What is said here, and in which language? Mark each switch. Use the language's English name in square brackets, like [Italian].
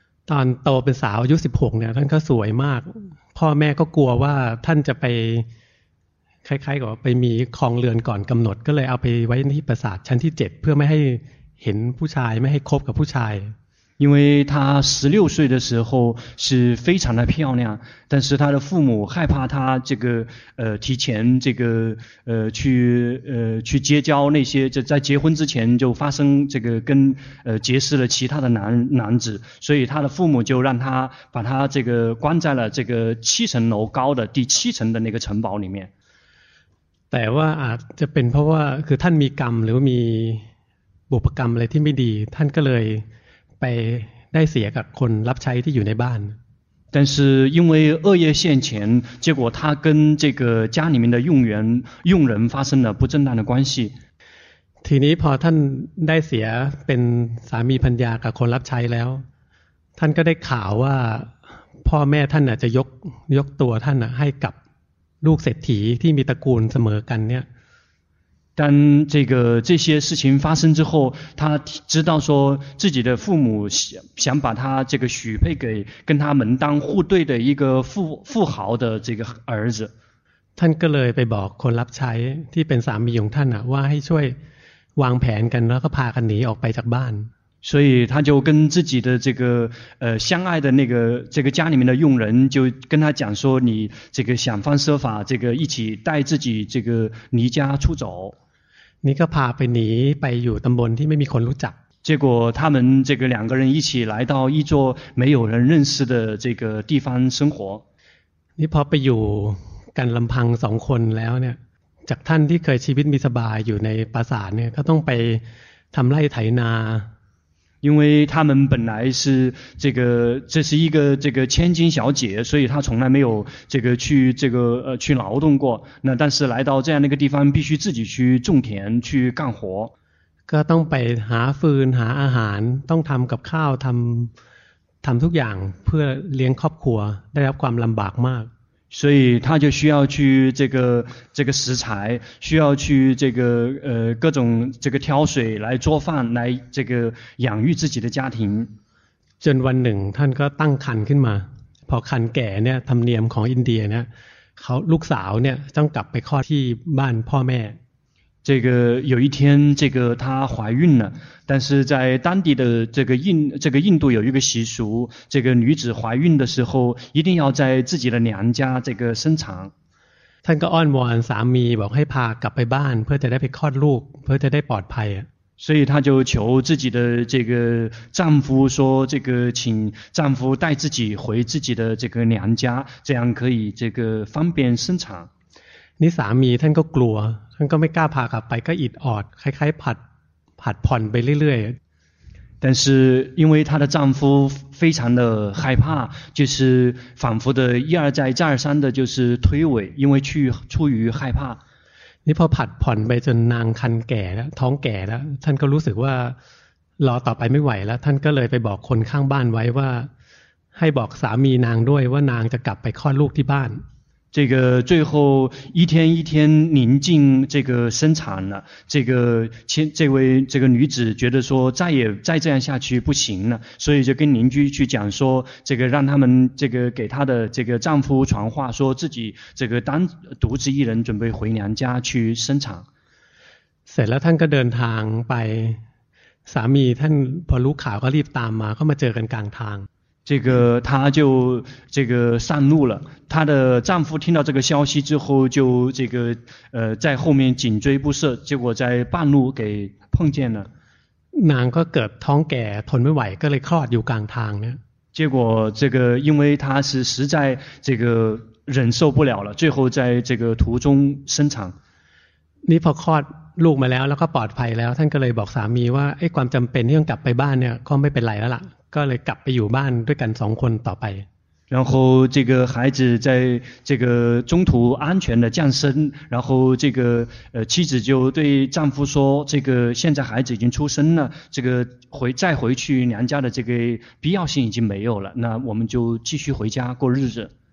[Thai] ตอนโตเป็นสาวอายุ16เนี่ยท่านก็สวยมากพ่อแม่ก็กลัวว่าท่านจะไปคล้ายๆกับไปมีครองเรือนก่อนกำหนดก็เลยเอาไปไว้ที่ปราสาทชั้นที่7เพื่อไม่ให้เห็นผู้ชายไม่ให้คบกับผู้ชาย [Chinese] 因为她十六岁的时候是非常的漂亮，但是她的父母害怕她这个提前这个去结交那些就在结婚之前就发生这个跟结识了其他的男子，所以她的父母就让她把她这个关在了这个七层楼高的第七层的那个城堡里面。 [Thai] แต่ว่าอาจจะเป็นเพราะว่าคือท่านมีกรรมหรือมีบุพกรรมอะไรที่ไม่ดีท่านก็เลยไปได้เสียกับคนรับใช้ที่อยู่ในบ้าน [Chinese] 但是因为恶业现前，结果他跟这个家里面的佣人发生了不正当的关系。 [Thai] ทีนี้พอท่านได้เสียเป็นสามีภรรยากับคนรับใช้แล้วท่านก็ได้ข่าวว่าพ่อแม่ท่านจะยกตัวท่านให้กับลูกเศรษฐีที่มีตระกูลเสมอกันเนี่ย [Chinese] 但这些事情发生之后，他知道说自己的父母想把他这个许配给跟他门当户对的一个富豪的这个儿子。 [Thai] ท่านก็เลยไปบอกคนรับใช้ที่เป็นสามีของท่านว่าให้ช่วยวางแผนกันแล้วก็พากันหนีออกไปจากบ้าน [Chinese] 所以他就跟自己的这个相爱的那个这个家里面的佣人就跟他讲说你这个想方设法这个一起带自己这个离家出走 [Thai] นี่ก็พาไปหนีไปอยู่ตำบลที่ไม่มีคนรู้จัก [Chinese] 结果他们这个两个人一起来到一座没有人认识的这个地方生活 [Thai] นี่พอไปอยู่กันลำพังสองคนแล้วเนี่ยจากท่านที่เคยชีวิตมีสบายอยู่ในปราสาทเนี่ยก็ต้องไปทำไร่ไถนา [Chinese] 因为他们本来是这个，这是一个这个千金小姐，所以她从来没有这个去这个去劳动过。那但是来到这样的一个地方，必须自己去种田去干活。 [Thai] ก็ต้องไปหาฟืนหาอาหารต้องทำกับข้าวทำทุกอย่างเพื่อเลี้ยงครอบครัวได้รับความลำบากมาก [Chinese] 所以他就需要去这个食材，需要去这个各种这个挑水来做饭，来这个养育自己的家庭。 [Thai] จนวันหนึ่งท่านก็ตั้งครรภ์ขึ้นมาพอครรภ์แก่เนี่ยธรรมเนียมของอินเดียเนี่ยเขาลูกสาวเนี่ยต้องกลับไปคลอดที่บ้านพ่อแม่ [Chinese] 这个有一天，这个她怀孕了，但是在当地的这个印度有一个习俗，这个女子怀孕的时候一定要在自己的娘家这个生产。 [Thai] ท่านก็อ้อนวอนสามีบอกให้พากลับไปบ้านเพื่อจะได้ไปคลอดลูกเพื่อจะได้ปลอดภัย。 [Chinese] 所以她就求自己的这个丈夫说，这个请丈夫带自己回自己的这个娘家，这样可以这个方便生产。 [Thai] นี่สามีท่านก็กลัวท่านก็ไม่กล้าพากลับไปก็อิดออดคล้ายๆผัดผ่อนไปเรื่อย [Chinese] ๆ但是因为她的丈夫非常的害怕就是反复的一而再再而三的就是推诿因为出于害怕 [Thai] นี่พอผัดผ่อนไปจนนางครรภ์แก่แล้วท้องแก่แล้วท่านก็รู้สึกว่ารอต่อไปไม่ไหวแล้วท่านก็เลยไปบอกคนข้างบ้านไว้ว่าให้บอกสามีนางด้วยว่านางจะกลับไปคลอดลูกที่บ้าน [Chinese] 这个最后一天一天临近这个生产了这个这位女子觉得说再这样下去不行了所以就跟邻居去讲说这个让他们这个给她的这个丈夫传话说自己这个单独自一人准备回娘家去生产。 [Thai] เสร็จแล้วท่านก็เดินทางไปสามีท่านพอรู้ข่าวก็รีบตามมาก็มาเจอกันกลางทาง [Chinese] 这个她就这个上路了她的丈夫听到这个消息之后就这个在后面紧追不舍结果在半路给碰见了 [Thai] นางก็เกิดท้องแก่ทนไม่ไหวก็เลยคลอดอยู่กลางทางเนี่ย [Chinese] 结果这个因为她是实在这个忍受不了了最后在这个途中生产 [Thai] นี่พอคลอดลูกมาแล้วแล้วก็ปลอดภัยแล้วท่านก็เลยบอกสามีว่าไอ้ความจำเป็นที่ต้องกลับไปบ้านเนี่ยก็ไม่เป็นไรแล้วล่ะก็เลยกลับไปอยู่บ้านด้วยกันสองคนต่อไป [Chinese] 然后这个孩子在这个中途安全的降生然后这个妻子就对丈夫说这个现在孩子已经出生了这个再回去娘家的这个必要性已经没有了那我们就继续回家过日子